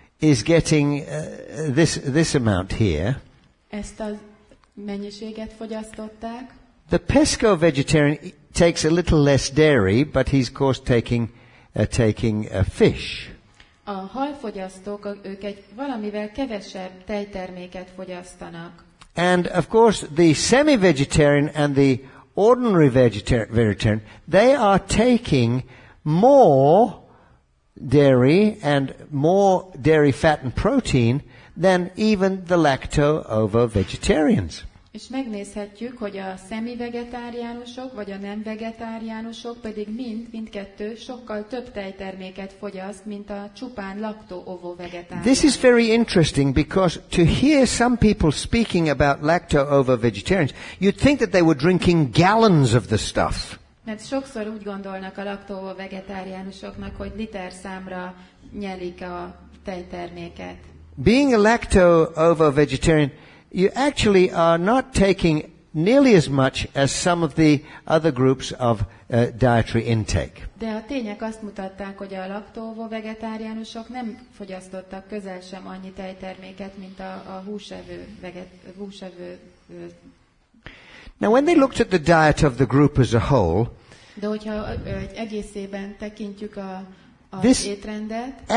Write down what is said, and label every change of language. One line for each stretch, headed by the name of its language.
English: is getting this amount here.
Hungarian: Ezt a mennyiséget fogyasztották.
English: The pesco vegetarian takes a little less dairy, but he's of course taking a fish.
Hungarian: A halfogyasztók, ők egy valamivel kevesebb tejterméket fogyasztanak.
English: And of course the semi-vegetarian and the ordinary vegetarian, they are taking more dairy and more dairy fat and protein than even the lacto-ovo vegetarians.
Hungarian: És megnézhetjük, hogy a szemi-vegetáriánusok vagy a nem vegetáriánusok pedig mindkettő sokkal több tejterméket fogyaszt, mint a csupán lacto-ovo vegetáriánus.
English: This is very interesting, because to hear some people speaking about lacto-ovo vegetarians, you'd think that they were drinking gallons of the stuff.
Hungarian: Mert sokszor úgy gondolnak a lacto-ovo vegetáriánusoknak, hogy liter számra nyelik a tejterméket.
English: Being a lacto-ovo vegetarian, you actually are not taking nearly as much as some of the other groups of dietary intake.
Hungarian: De a tények azt mutatták, hogy a lacto-ovo vegetáriánusok nem fogyasztottak közel sem annyi tejterméket, mint a húsevő.
English: Now, when they looked at the diet of the group as a whole,
Hungarian: de hogyha egy egészében tekintjük az étrendet,